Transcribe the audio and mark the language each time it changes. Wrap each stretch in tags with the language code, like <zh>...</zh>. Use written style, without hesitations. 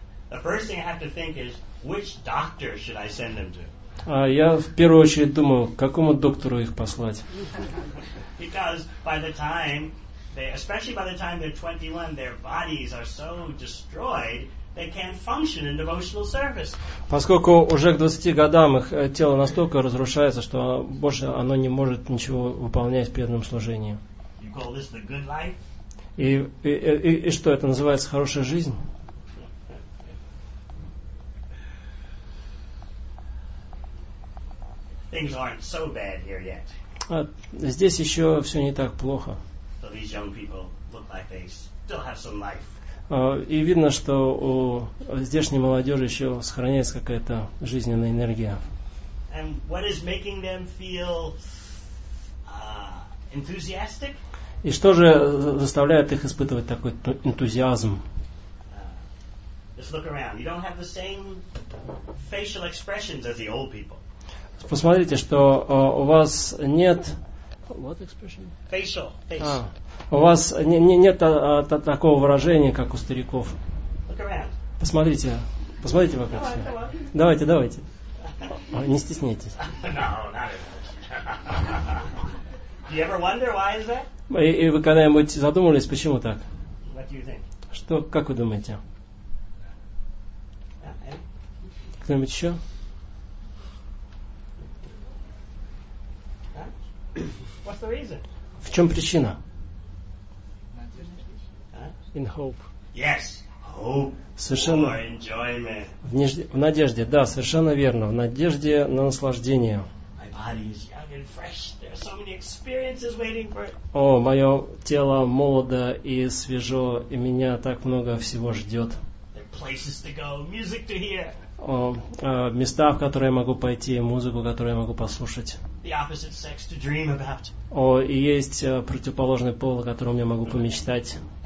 <en>The first thing I have to think is, which doctor should I send them to?</en> <ru>Я в первую очередь думаю, к какому доктору их послать.</ru> <en>Because by the time they, especially by the time they're 21, their bodies are so destroyed they can't function in devotional service.</en> <ru>Поскольку уже к 20 годам их тело настолько разрушается, что больше оно не может ничего выполнять в преданном служении.</ru> <en>You call this the good life?</en> <ru>И что это называется хорошая жизнь?</ru> <en>Things aren't so bad here yet.</en> <ru>Здесь еще все не так плохо.</ru> <en>So these young people look like they still have some life.</en> <ru>И видно, что у здешней молодежи еще сохраняется какая-то жизненная энергия.</ru> <en>And what is making them feel enthusiastic?</en> <ru>И что же заставляет их испытывать такой энтузиазм?</ru> <en>Just look around. You don't have the same facial expressions as the old people.</en> <ru>Посмотрите, что у вас нет</ru> <en>what expression? Facial.</en> <ru>У вас нет такого выражения, как у стариков.</ru> <en>Look around.</en> <ru>Посмотрите вокруг себя. Давайте. Не стесняйтесь.</ru> <en>No, not at all. Do you ever wonder why is that?</en> <ru>И вы когда-нибудь задумывались, почему так?</ru> <en>What do you think?</en> <ru>Что, как вы думаете?</ru> <en>Okay.</en> <ru>Кто-нибудь еще?</ru> <en>What's the reason?</en> <ru>В чем причина?</ru> <en>In hope. Yes, hope.</en> <ru>Совершенно.</ru> <en>For enjoyment.</en> <ru>В надежде, да, совершенно верно. В надежде на наслаждение.</ru> <en>My body is young and fresh. There are so many experiences waiting for it.</en> <ru>О, мое тело молодо и свежо, и меня так много всего ждет.</ru> <en>There are places to go, music to hear.</en> <ru>Места, в которые я могу пойти, музыку, которую я могу послушать. И есть противоположный пол, о котором я могу помечтать.</ru>